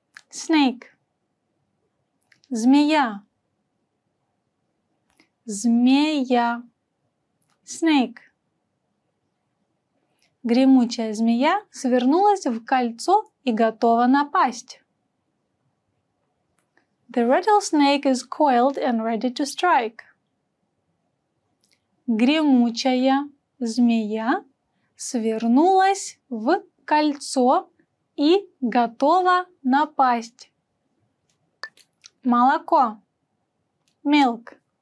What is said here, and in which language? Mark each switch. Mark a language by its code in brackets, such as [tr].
[en] Snake. [ru] Змея. Змея. [en] Snake. [ru] Гремучая змея свернулась в кольцо и готова напасть. [en] The rattlesnake is coiled and ready to strike. [ru] Гремучая змея свернулась в кольцо и готова напасть. Молоко. [en] Milk.